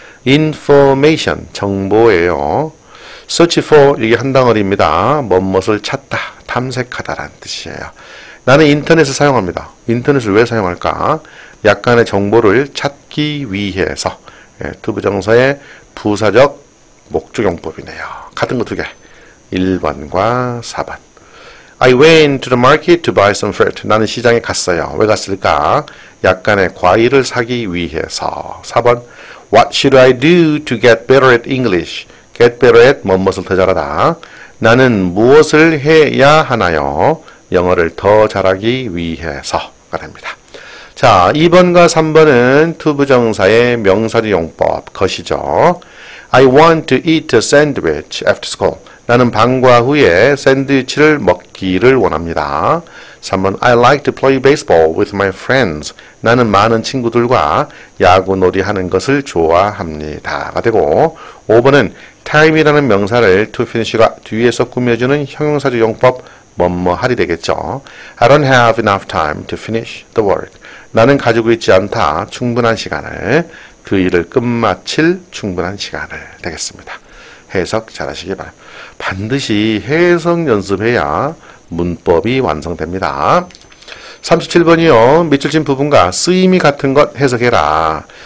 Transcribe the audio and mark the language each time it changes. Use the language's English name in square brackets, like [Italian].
[Korean] information, 정보예요. search for, 이게 한 단어입니다. 뭣뭣을 찾다, 탐색하다라는 뜻이에요. 나는 인터넷을 사용합니다. 인터넷을 왜 사용할까? 약간의 정보를 찾기 위해서. 예, 투부정사의 부사적 목적용법이네요. 같은 거 두 개. 1번과 4번. [English] I went to the market to buy some fruit. [Korean] 나는 시장에 갔어요. 왜 갔을까? 약간의 과일을 사기 위해서. 4번. [English] What should I do to get better at English? [Korean] Get better at 무엇을 더 잘하다. 나는 무엇을 해야 하나요? 영어를 더 잘하기 위해서가 됩니다. 자, 2번과 3번은 투부정사의 명사용법, 것이죠. [English] I want to eat a sandwich after school. [Korean] 나는 방과 후에 샌드위치를 먹기를 원합니다. [English] 3번, I like to play baseball with my friends. [Korean] 나는 많은 친구들과 야구놀이 하는 것을 좋아합니다. 가 되고, 5번은 time이라는 명사를 to finish가 뒤에서 꾸며주는 형용사적 용법, 뭐뭐하리 되겠죠. [English] I don't have enough time to finish the work. [Korean] 나는 가지고 있지 않다. 충분한 시간을. 그 일을 끝마칠 충분한 시간을. 되겠습니다. 해석 잘 하시기 바랍니다. 반드시 해석 연습해야 문법이 완성됩니다. 37번이요. 밑줄 친 부분과 쓰임이 같은 것 해석해라.